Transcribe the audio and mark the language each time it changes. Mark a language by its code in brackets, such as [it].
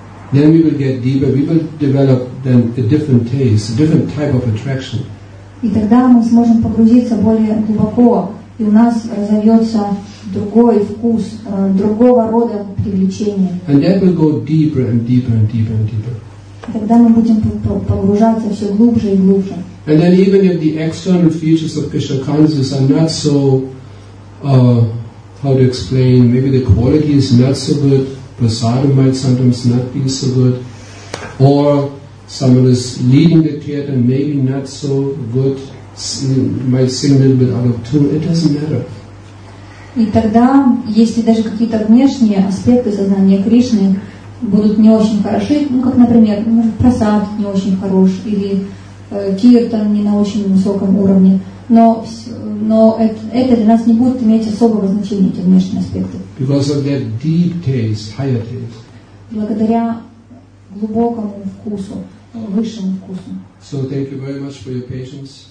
[en] Then we will get deeper. We will develop then a different taste, a different type of attraction. [ru] И тогда мы сможем погрузиться более глубоко. И у нас разовьется другой вкус, другого рода привлечения. [en] And that will go deeper and deeper and deeper and deeper. [ru] Когда мы будем погружаться все глубже и глубже. [en] And then even if the external features of Krishna consciousness are not so, how to explain, maybe the quality is not so good, prasadam might sometimes not be so good, or someone is leading the kirtan maybe not so good, might sing a little bit out of tune, it doesn't matter. [ru] И тогда, если даже какие-то внешние аспекты сознания Кришны будут не очень хороши, ну как, например, может, прасад не очень хорош, или киртан не на очень высоком уровне, но это для нас не будет иметь особого значения, эти внешние аспекты. [en] Because of that deep taste, higher taste. [ru] Благодаря глубокому вкусу, высшему вкусу. [en] So thank you very much for your patience.